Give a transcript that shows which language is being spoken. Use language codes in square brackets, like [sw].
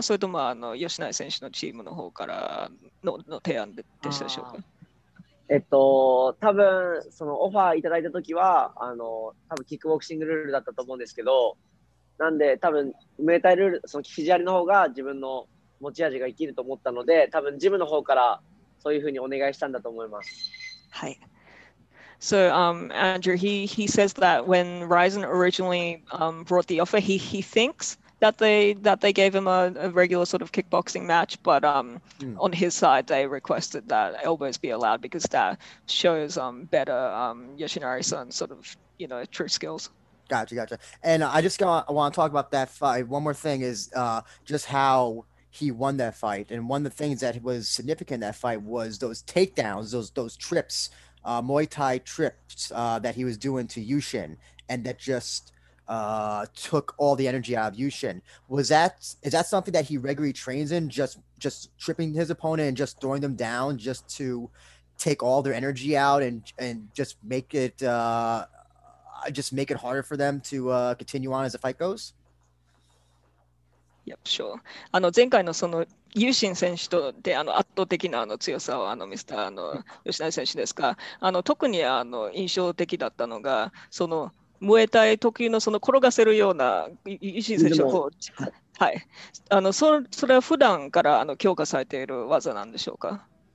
[ja] それとも、あの、吉成選手のチームの方からの提案でしたでしょうか？多分そのオファーいただいた時はあの多分キックボクシングルールだったと思うんですけど、なんで多分ムエタイルールその肘ありの方が自分の持ち味が生きると思ったので、多分ジムの方からそういうふうにお願いしたんだと思います。はい。 [en] So Andrew, he says that when Ryzen originally brought the offer, he thinks that they gave him a regular sort of kickboxing match, but on his side, they requested that elbows be allowed because that shows better Yoshinari-san sort of you know, true skills. Gotcha, gotcha. And I just want to talk about that fight. One more thing is just how he won that fight. And one of the things that was significant in that fight was those takedowns, those trips, Muay Thai trips that he was doing to Yushin, and that just took all the energy out of Yushin. Is that something that he regularly trains in, just tripping his opponent and just throwing them down just to take all their energy out and just make it harder for them to continue on as the fight goes? Yep, sure. [ja] あの前回のそのユーシン選手とであの圧倒的なあの強さをあのミスターあの吉成選手ですか。あの特にあの印象的だったのがそのムエタイ特有のその転がせるようなユーシン選手のこう、はい、あのそれは普段からあの強化されている技なんでしょうか。